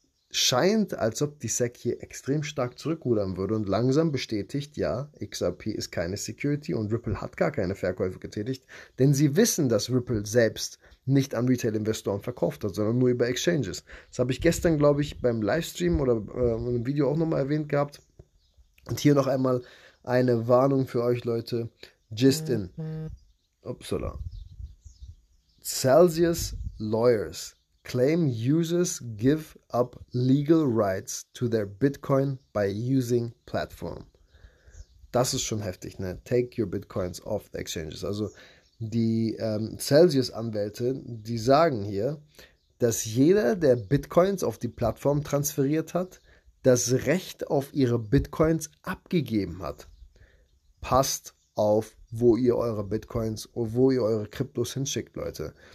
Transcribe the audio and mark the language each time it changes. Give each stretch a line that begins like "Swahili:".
German: Scheint, als ob die SEC hier extrem stark zurückrudern würde und langsam bestätigt, ja, XRP ist keine Security und Ripple hat gar keine Verkäufe getätigt, denn sie wissen, dass Ripple selbst nicht an Retail-Investoren verkauft hat, sondern nur über Exchanges. Das habe ich gestern, glaube ich, beim Livestream oder im Video auch nochmal erwähnt gehabt. Und hier noch einmal eine Warnung für euch, Leute. Justin. Upsala.
English: Celsius Lawyers claim users give up legal rights to their Bitcoin by using platform.
German: Das ist schon heftig, ne?
English: Take your Bitcoins off the exchanges.
German: Also die Celsius-Anwälte, die sagen hier, dass jeder, der Bitcoins auf die Plattform transferiert hat, das Recht auf ihre Bitcoins abgegeben hat. Passt auf, wo ihr eure Bitcoins oder wo ihr eure Kryptos hinschickt, Leute.